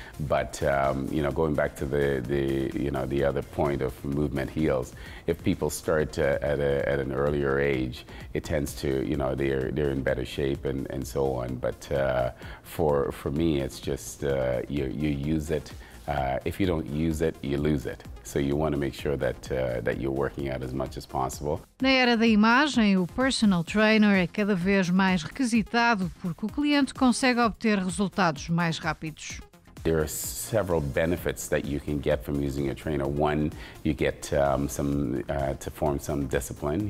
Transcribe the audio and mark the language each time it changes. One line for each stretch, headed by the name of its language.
English: But you know, going back to the other point of movement heals, if people start at an earlier age, it tends to, you know, they're in better shape and so on. But for me, it's just you use it. If you don't use it, you lose it. So you want to make sure that you're working out as much as possible.
Portuguese: Na era da imagem, o personal trainer é cada vez mais requisitado porque o cliente consegue obter resultados mais rápidos.
English: There are several benefits that you can get from using a trainer. One, you get to form some discipline.